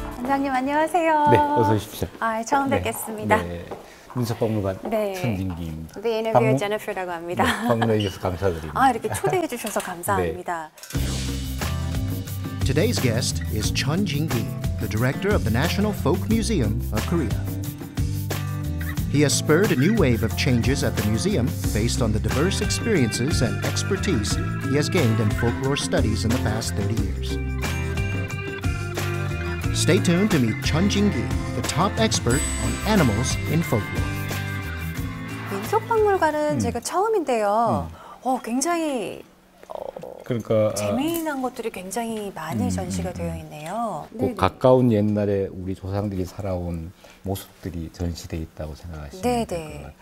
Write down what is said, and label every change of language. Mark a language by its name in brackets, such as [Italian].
[English] Hello, [Korean] 안녕하세요. 네, 어서 오십시오. 아, 처음 뵙겠습니다. 문서박물관 천진기입니다. 네, 인터뷰 제니퍼라고 합니다. 방문해 주셔서 감사드립니다. 아, 이렇게 초대해 주셔서 감사합니다. 네. [English] Today's guest is Chun Jingi, the director of the National Folk Museum of Korea. He has spurred a new wave of changes at the museum based on the diverse experiences and expertise he has gained in folklore studies in the past 30 years. Stay tuned to meet Chun Jingi, the top expert on animals in folklore. [Korean] 민속박물관은 제가 처음인데요. 굉장히 그러니까 재미난 것들이 굉장히 많이 전시가 되어 있네요. 그 가까운 옛날에 우리 조상들이 살아온 모습들이 전시되어 있다고 생각하시면 될 것 같아요.